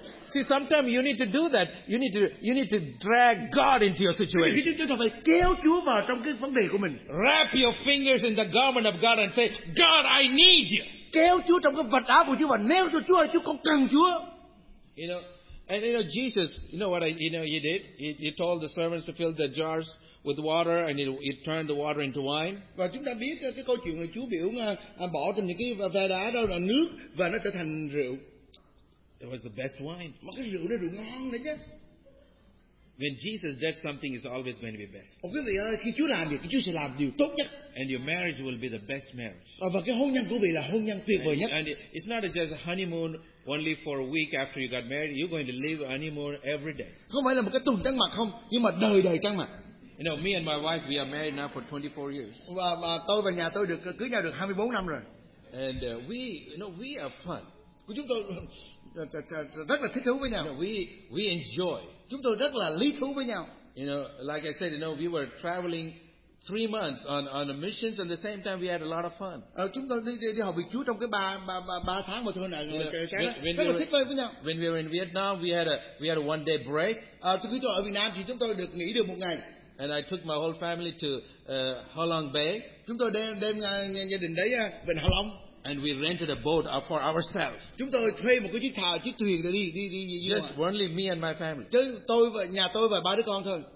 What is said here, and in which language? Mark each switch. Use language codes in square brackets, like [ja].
[en] See, sometimes you need to do that. You need to drag God into your situation. [vi] Chúng ta phải kéo Chúa vào trong cái vấn đề của mình. [en] Wrap your fingers in the garment of God and say, God, I need you. [vi] Kéo Chúa trong cái vật áo của Chúa và nêu cho Chúa, Chúa con cần Chúa. [en] You know, and you know Jesus. You know what he did? He told the servants to fill the jars with water and he turned the water into wine. [vi] Và chúng ta biết cái câu chuyện là Chúa biểu bỏ trong những cái ve đá đó là nước và nó trở thành rượu. [en] It was the best wine. [vi] Mà cái rượu đó rượu ngon đấy chứ. [en] When Jesus does something, it's always going to be best. [vi] Ồ, quý vị ơi, khi Chúa làm việc thì Chúa sẽ làm điều tốt nhất. [en] And your marriage will be the best marriage. [vi] Và cái hôn nhân của vị là hôn nhân tuyệt vời nhất. [en] And it's not just a honeymoon only for a week after you got married. You're going to live honeymoon every day. [vi] Không phải là một cái tuần trăng mật không, nhưng mà đời đời trăng mật. [en] You know, me and my wife, we are married now for 24 years. [vi] Và tôi và nhà tôi được cưới nhau được 24 năm rồi. [en] And we, you know, we are fun. [vi] Chúng tôi rất là thích thú với nhau. [en] You know, we enjoy. [vi] Chúng tôi rất là lý thú với nhau. [en] You know, like I said, you know, we were traveling 3 months on the missions, and at the same time, we had a lot of fun. [vi] Chúng tôi đi học việc Chúa trong cái ba tháng một thôi nè. Rất là thích với nhau. [en] When we were in Vietnam, we had a 1 day break. [vi] Chúng tôi ở Việt Nam thì chúng tôi được nghỉ được một ngày. [en] And I took my whole family to Ha Long Bay. [vi] Chúng tôi đem gia đình đấy về Ha Long. [en] And we rented a boat for ourselves. [vi] Chúng tôi thuê một cái chiếc thuyền để đi. [en] Just only me and my family. [vi] Chứ tôi và nhà tôi và ba đứa con thôi.